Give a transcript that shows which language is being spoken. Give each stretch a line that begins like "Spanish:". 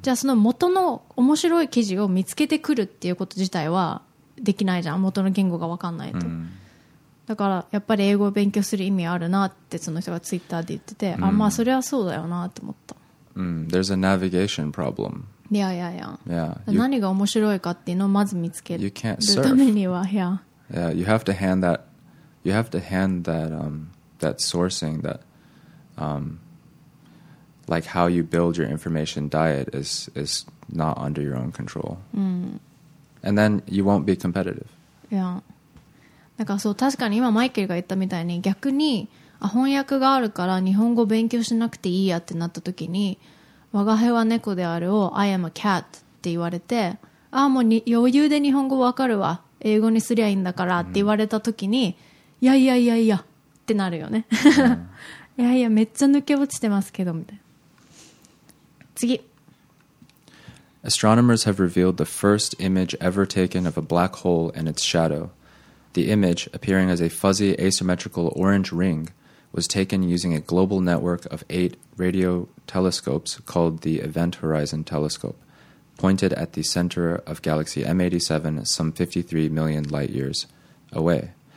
Japanese: じゃあその元の面白い記事を見つけてくるっていうこと自体はできないじゃん元の言語が分かんないと、うん、だからやっぱり英語を勉強する意味あるなってその人がツイッターで言ってて、うん、あまあそれはそうだよなって思った、
English: うん、There's a navigation problem
Japanese: いやいやいや、
English: yeah.
Japanese: 何が面白いかっていうのをまず見つけるためには、yeah.
English: Yeah, you have to hand that that sourcing that like how you build your information diet is not under your own control. And then you won't be competitive. Yeah.
Japanese: だからそう、確かに今マイケルが言ったみたいに、逆に、あ、翻訳があるから日本語勉強しなくていいやってなった時に、我が輩は猫であるを
English: I am a cat
Japanese: って言われて、あ、もうに余裕で日本語わかるわ、英語にすりゃいいんだからって言われた時に、いやいやいやいやってなるよね。いやいや、めっちゃ抜け落ちてますけどみたいな。次。
English: Astronomers have revealed the first image ever taken of a black hole and its shadow. The image, appearing as a fuzzy asymmetrical orange ring, was taken using a global network of 8 radio telescopes called the Event Horizon Telescope, pointed at the center of galaxy M87 some 53 million light years away.